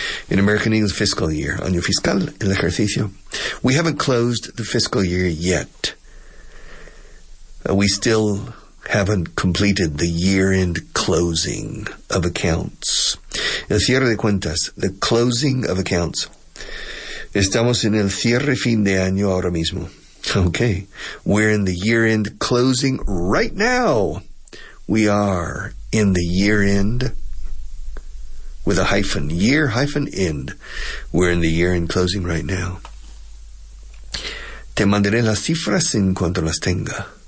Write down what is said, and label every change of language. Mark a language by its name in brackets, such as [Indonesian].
[English] In American English, fiscal year. [Spanish] Año fiscal, el ejercicio. [English] We haven't closed the fiscal year yet. We still haven't completed the year-end closing of accounts. [Spanish] El cierre de cuentas, [English] the closing of accounts. [Spanish] Estamos en el cierre fin de año ahora mismo. [English] Okay. We're in the year-end closing right now. We are in the year-end with a hyphen. Year-end. We're in the year-end closing right now. [Spanish] Te mandaré las cifras en cuanto las tenga.